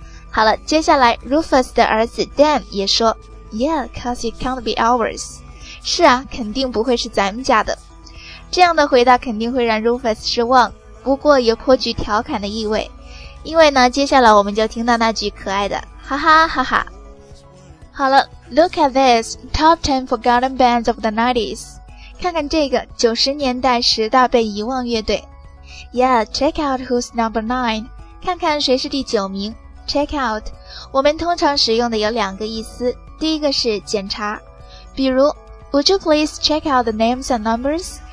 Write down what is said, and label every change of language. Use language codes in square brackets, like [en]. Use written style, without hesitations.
[zh] 好了，接下来 Rufus 的儿子 Dan 也说 [en] Yeah, cause it can't be ours. [zh] 是啊，肯定不会是咱们家的。这样的回答肯定会让 Rufus 失望，不过也颇具调侃的意味。因为呢，接下来我们就听到那句可爱的哈哈哈哈。好了， [en] Look at this, top 10 forgotten bands of the 90s. [zh] 看看这个90年代十大被遗忘乐队。 [en] Yeah, check out who's number 9. [zh] 看看谁是第九名。 Check out, 我们通常使用的有两个意思，第一个是检查，比如 [en] Would you please check out the names and numbers?